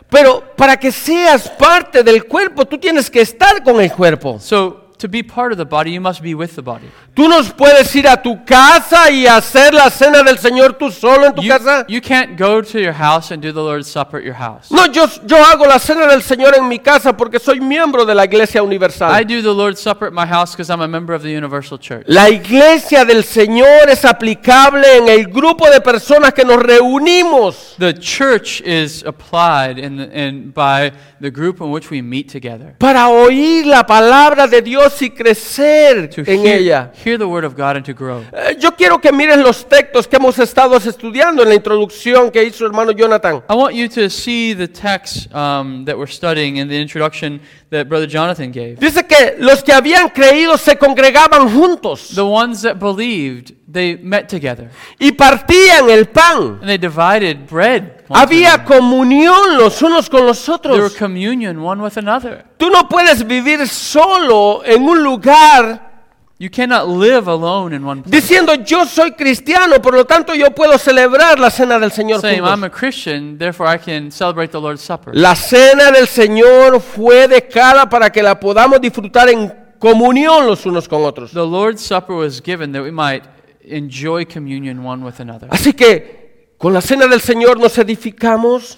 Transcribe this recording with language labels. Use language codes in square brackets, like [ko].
[es] Pero para que seas parte del cuerpo tú tienes que estar con el cuerpo. [en] So to be part of the body, you must be with the body. [es] ¿Tú no puedes ir a tu casa y hacer la cena del Señor tú solo en tu casa? [en] You can't go to your house and do the Lord's Supper at your house. [es] No, yo hago la cena del Señor en mi casa porque soy miembro de la Iglesia Universal. [en] I do the Lord's Supper at my house because I'm a member of the Universal Church. [es] La Iglesia del Señor es aplicable en el grupo de personas que nos reunimos. [en] The church is applied by the group in which we meet together. [es] Para oír la palabra de Dios y crecer en ella. [en] Hear the word of God and to grow. [es] Yo quiero que miren los textos que hemos estado estudiando en la introducción que hizo hermano Jonathan. [en] I want you to see the text that we're studying in the introduction that brother Jonathan gave. [es] Dice que los que habían creído se congregaban juntos. [en] The ones that believed, they met together. [es] Y partían el pan. [en] And they divided bread. [es] Había comunión los unos con los otros. [en] There were communion one with another. [es] Tú no puedes vivir solo en un lugar. [en] You cannot live alone in one place. [es] Diciendo yo soy cristiano, por lo tanto yo puedo celebrar la cena del Señor. [en] Saying I'm a Christian, therefore I can celebrate the Lord's Supper. [es] La cena del Señor fue dejada para que la podamos disfrutar en comunión los unos con otros. [en] The Lord's Supper was given that we might enjoy communion one with another. [es] Así que con la cena del Señor nos edificamos.